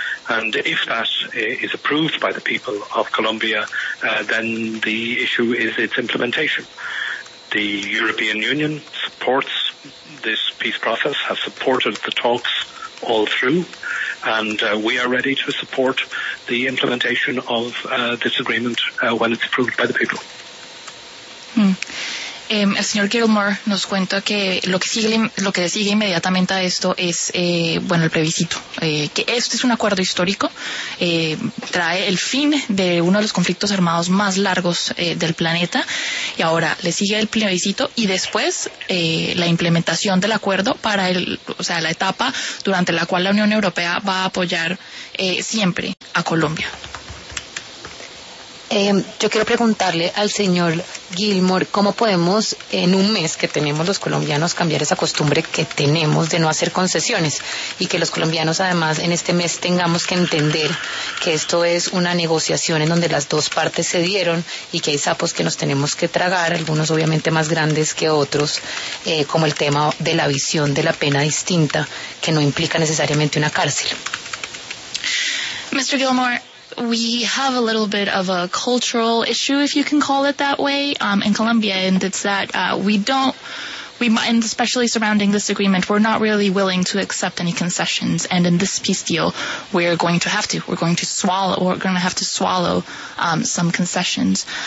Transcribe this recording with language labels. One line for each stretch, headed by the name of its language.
English: And if that is approved by the people of Colombia, then the issue is its implementation. The European Union supports this peace process, has supported the talks all through, and we are ready to support the implementation of this agreement when it's approved by the people.
Spanish: El señor Gilmore nos cuenta que lo que sigue inmediatamente a esto es el plebiscito, que este es un acuerdo histórico, trae el fin de uno de los conflictos armados más largos del planeta, y ahora le sigue el plebiscito y después la implementación del acuerdo para la etapa durante la cual la Unión Europea va a apoyar siempre a Colombia. Yo quiero preguntarle al señor Gilmore, ¿cómo podemos, en un mes que tenemos los colombianos, cambiar esa costumbre que tenemos de no hacer concesiones? Y que los colombianos, además, en este mes tengamos que entender que esto es una negociación en donde las dos partes cedieron y que hay sapos que nos tenemos que tragar, algunos obviamente más grandes que otros, como el tema de la visión de la pena distinta, que no implica necesariamente una cárcel.
English: Mr. Gilmore, we have a little bit of a cultural issue, if you can call it that way, in Colombia, and it's that and especially surrounding this agreement, we're not really willing to accept any concessions. And in this peace deal, we're going to have to swallow some concessions.